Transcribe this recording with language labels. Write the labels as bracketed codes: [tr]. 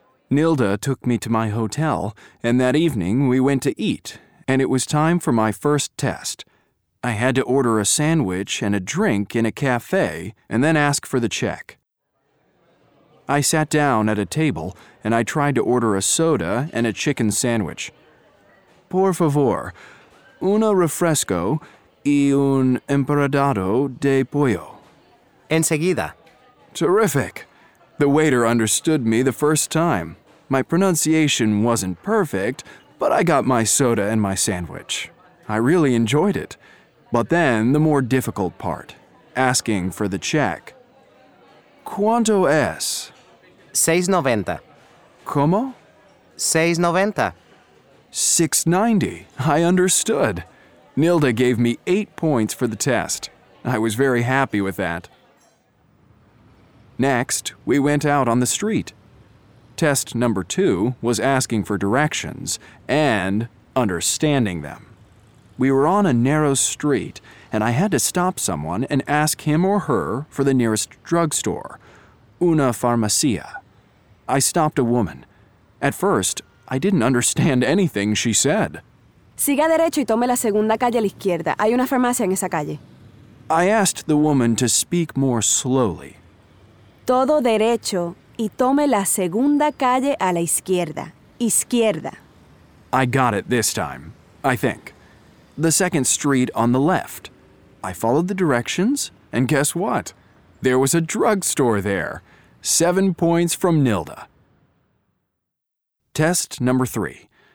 [en] Nilda took me to my hotel, and that evening we went to eat, and it was time for my first test. I had to order a sandwich and a drink in a cafe, and then ask for the check. I sat down at a table, and I tried to order a soda and a chicken sandwich. [es] Por favor, una refresco y un emparedado de pollo. Enseguida. [en] Terrific. The waiter understood me the first time. My pronunciation wasn't perfect, but I got my soda and my sandwich. I really enjoyed it. But then, the more difficult part, asking for the check. [es] ¿Cuánto es? 6.90. ¿Cómo? 6.90. [en] 6.90. I understood. Nilda gave me 8 points for the test. I was very happy with that. Next, we went out on the street. Test number 2 was asking for directions and understanding them. We were on a narrow street, and I had to stop someone and ask him or her for the nearest drugstore, una farmacia. I stopped a woman. At first, I didn't understand anything she said. [es] Siga derecho y tome la segunda calle a la izquierda. Hay una farmacia en esa calle. [en] I asked the woman to speak more slowly. [es] Todo derecho y tome la segunda calle a la izquierda. Izquierda. [en] I got it this time, I think. The second street on the left. I followed the directions, and guess what? There was a drugstore there. 7 points from Nilda. Test number 3.